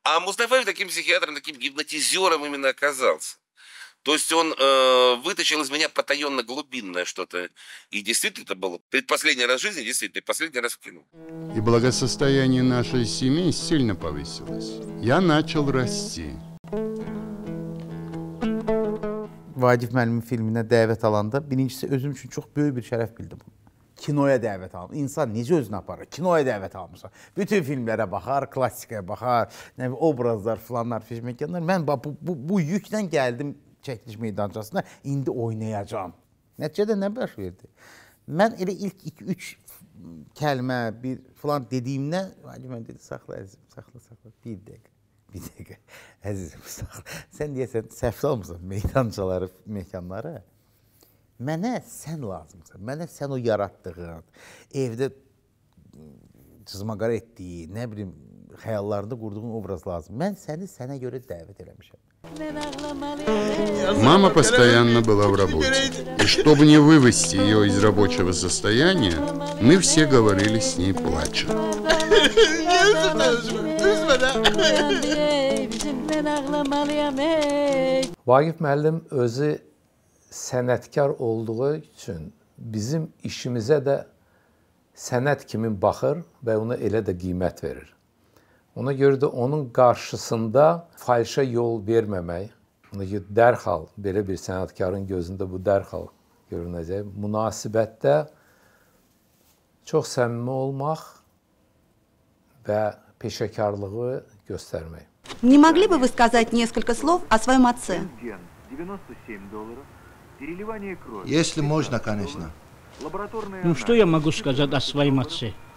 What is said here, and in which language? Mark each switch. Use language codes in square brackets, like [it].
[ru] А Мустафаев таким психиатром, таким гипнотизером именно оказался. То есть он вытащил из меня потаенно-глубинное что-то. И действительно это было предпоследний раз в жизни, действительно, последний раз в кино. И благосостояние нашей семьи сильно повысилось. Я начал расти. [az] Vaqif müəllimin filminə dəvət alanda, birincisi özüm üçün çox böyük bir şərəf bildim. Kinoya dəvət alın. İnsan necə özünü aparır? Kinoya dəvət almışsa. Bütün filmlərə baxar, klassikaya baxar, nə bilim, obrazlar, filanlar, fişməkanlar. Mən bu yüklə gəldim. Çəkiliş meydançasında indi oynayacağam. Nəticədə nə baş verdi? Mən elə ilk 2-3 kəlmə bir falan dediyimdə, Vaqif mən dedi, saxla əzizim, saxla, bir dəqiqə, əzizim, saxla. Sən deyəsən, səhv salmısan meydançaları, məkanları. Mənə sən lazımsan, mənə sən o yaratdığın, evdə cızmaqara etdiyi, nə bilim, xəyallarında qurduğun obraz lazım. Mən səni sənə görə dəvət eləmişəm. [ru] Мама постоянно была в работе, и чтобы не вывести ее из рабочего состояния, мы все говорили с ней плача. [az] Vaqif müəllim özü sənətkar olduğu üçün bizim işimizə də sənət kimi baxır və ona elə də qiymət verir. Ona görə də onun qarşısında fahişə yol verməmək, ona görə dərhal, belə bir sənətkarın gözündə bu dərhal görünəcək, münasibətdə çox səmimi olmaq və peşəkarlığı göstərmək. [ru] Не могли бы вы сказать несколько слов о своем отце? Если можно, конечно. Ну что я могу сказать о своем отце?